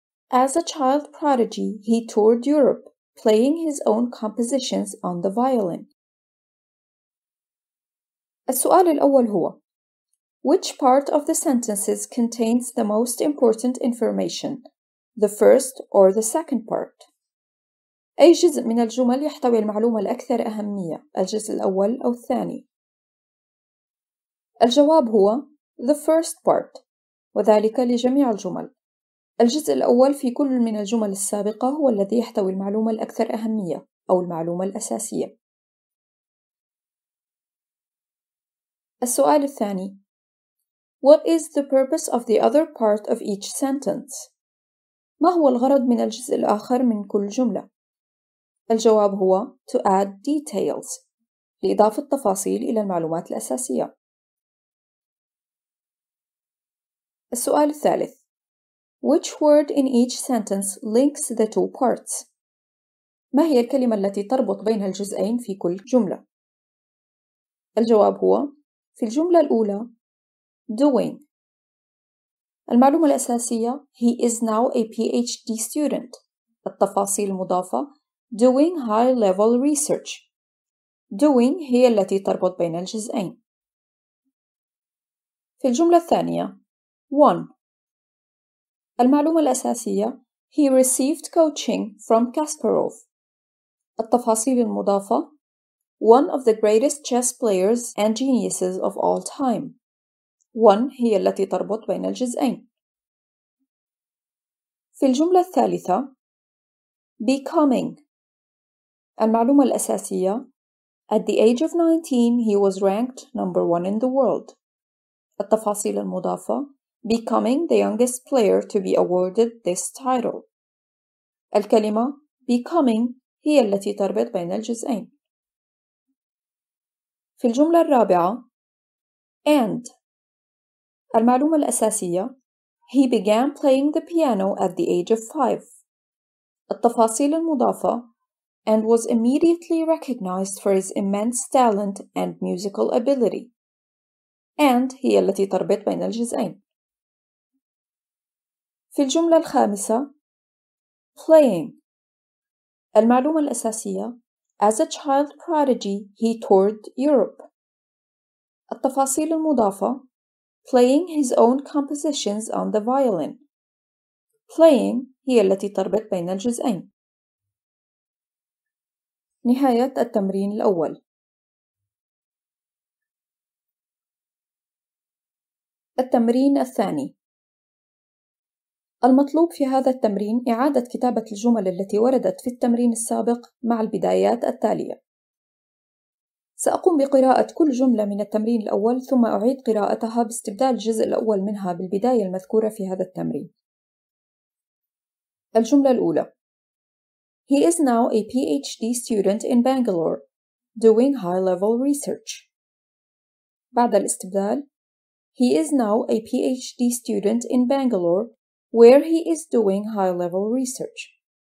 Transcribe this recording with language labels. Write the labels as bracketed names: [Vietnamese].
[English] As a child prodigy, he toured Europe, playing his own compositions on the violin. [Arabic] السؤال الأول هو: [English] Which part of the sentences contains the most important information, the first or the second part? [Arabic] أي جزء من الجمل يحتوي المعلومة الأكثر أهمية، الجزء الأول أو الثاني؟ الجواب هو [English] the first part، [Arabic] وذلك لجميع الجمل. الجزء الأول في كل من الجمل السابقة هو الذي يحتوي المعلومة الأكثر أهمية أو المعلومة الأساسية. السؤال الثاني: [English] What is the purpose of the other part of each sentence? [Arabic] ما هو الغرض من الجزء الآخر من كل جملة؟ الجواب هو [English] to add details، [Arabic] لإضافة تفاصيل إلى المعلومات الأساسية. السؤال الثالث: [English] Which word in each sentence links the two parts? [Arabic] ما هي الكلمة التي تربط بين الجزئين في كل جملة؟ الجواب هو في الجملة الأولى doing. المعلومة الأساسية [English] he is now a PhD student. [Arabic] التفاصيل المضافة [English] doing high-level research. [Arabic] Doing هي التي تربط بين الجزئين. في الجملة الثانية one. المعلومة الأساسية [English] he received coaching from Kasparov. [Arabic] التفاصيل المضافة [English] one of the greatest chess players and geniuses of all time. [Arabic] One هي التي تربط بين الجزئين. في الجملة الثالثة [English] Becoming [Arabic] المعلومة الأساسية [English] At the age of 19 he was ranked number one in the world. [Arabic] التفاصيل المضافة [English] Becoming the youngest player to be awarded this title. [Arabic] الكلمة Becoming هي التي تربط بين الجزئين. في الجملة الرابعة [English] And [Arabic] المعلومة الأساسية [English] He began playing the piano at the age of 5. [Arabic] التفاصيل المضافة [English] And was immediately recognized for his immense talent and musical ability. [Arabic] And هي التي تربط بين الجزئين. في الجملة الخامسة [English] Playing [Arabic] المعلومة الأساسية [English] As a child prodigy, he toured Europe. [Arabic] التفاصيل المضافة [English] Playing his own compositions on the violin. [Arabic] Playing هي التي تربط بين الجزئين. نهاية التمرين الأول. التمرين الثاني. المطلوب في هذا التمرين إعادة كتابة الجمل التي وردت في التمرين السابق مع البدايات التالية. سأقوم بقراءة كل جملة من التمرين الأول ثم أعيد قراءتها باستبدال الجزء الأول منها بالبداية المذكورة في هذا التمرين. الجملة الأولى [English] He is now a PhD student in Bangalore, doing high-level research. [Arabic] بعد الاستبدال [English] He is now a PhD student in Bangalore, where he is doing high-level research.